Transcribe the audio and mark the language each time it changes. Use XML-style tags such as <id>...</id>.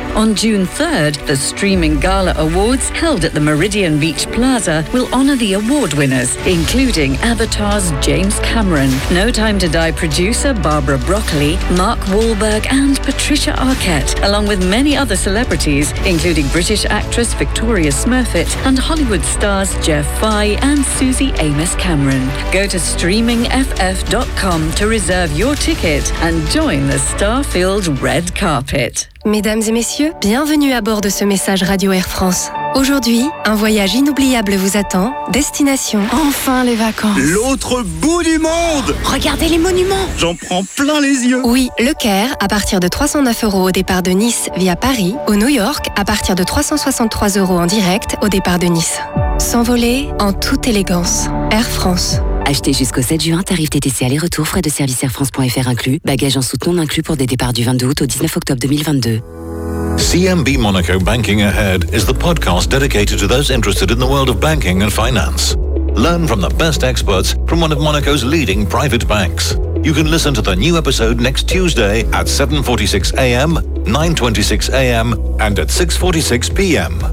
<en>On June 3rd, the Streaming Gala Awards, held at the Meridian Beach Plaza, will honour the award winners, including Avatar's James Cameron, No Time to Die producer Barbara Broccoli, Mark Wahlberg and Patricia Arquette, along with many other celebrities, including British actress Victoria Smurfit and Hollywood stars Jeff Fye and Susie Amos Cameron. Go to streamingff.com to reserve your ticket and join the star-filled red carpet.</en> <fr>Mesdames et messieurs, bienvenue à bord de ce message Radio Air France. Aujourd'hui, un voyage inoubliable vous attend. Destination, enfin les vacances. L'autre bout du monde. Regardez les monuments. J'en prends plein les yeux. Oui, Le Caire, à partir de 309€ au départ de Nice via Paris, ou New York, à partir de 363€ en direct au départ de Nice. S'envoler en toute élégance. Air France. Achetez jusqu'au 7 juin, tarif TTC aller-retour, frais de service airfrance.fr inclus, bagages en soute non inclus pour des départs du 22 août au 19 octobre 2022.</fr> <en>CMB Monaco Banking Ahead is the podcast dedicated to those interested in the world of banking and finance. Learn from the best experts from one of Monaco's leading private banks. You can listen to the new episode next Tuesday at 7.46 a.m., 9.26 a.m., and at 6.46 p.m.</en>